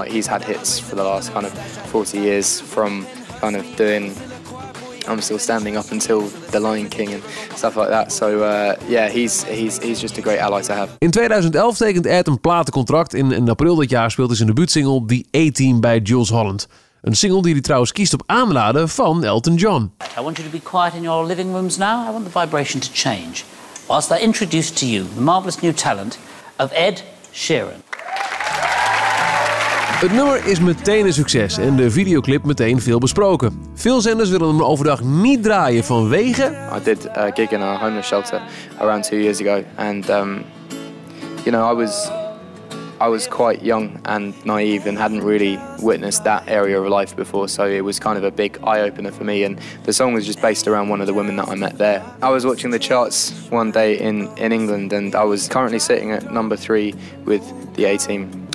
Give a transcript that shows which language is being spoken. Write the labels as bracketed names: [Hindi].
[English] Like, he's had hits for the last kind of 40 years from kind of doing I'm Still Standing up until The Lion King and stuff like that. So he's just a great ally to have. [Dutch] In 2011 tekent Ed een platencontract. In april dat jaar speelt hij zijn debuutsingle The A-Team bij Jules Holland. Een single die hij trouwens kiest op aanraden van Elton John. [English] I want you to be quiet in your living rooms now. I want the vibration to change. Whilst I introduce to you the marvelous new talent of Ed Sheeran. [Dutch] Het nummer is meteen een succes en de videoclip meteen veel besproken. Veel zenders willen hem overdag niet draaien vanwege... [English] I did a gig in a homeless shelter around 2 years ago. And, you know, I was quite young and naive and hadn't really witnessed that area of life before. So it was kind of a big eye-opener for me. And the song was just based around one of the women that I met there. I was watching the charts one day in England and I was currently sitting at number 3 with the A-Team.